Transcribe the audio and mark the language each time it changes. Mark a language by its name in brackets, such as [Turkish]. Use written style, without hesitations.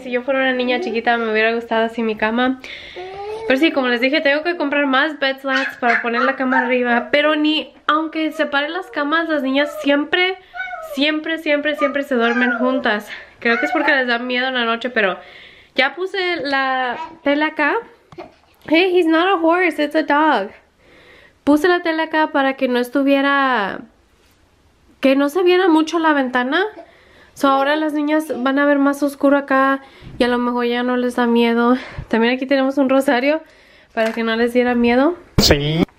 [Spanish] Si yo fuera una niña chiquita, me hubiera gustado así mi cama. Pero sí, como les dije, tengo que comprar más bed slats para poner la cama arriba. Pero ni aunque separe las camas, las niñas siempre, siempre, siempre, siempre se duermen juntas. Creo que es porque les da miedo en la noche, pero ya puse la tela acá. [English] Hey, he's not a horse, it's a dog. [Spanish] Puse la tela acá para que no estuviera, que no se viera mucho la ventana. So ahora las niñas van a ver más oscuro acá y a lo mejor ya no les da miedo. También aquí tenemos un rosario para que no les diera miedo. Sí.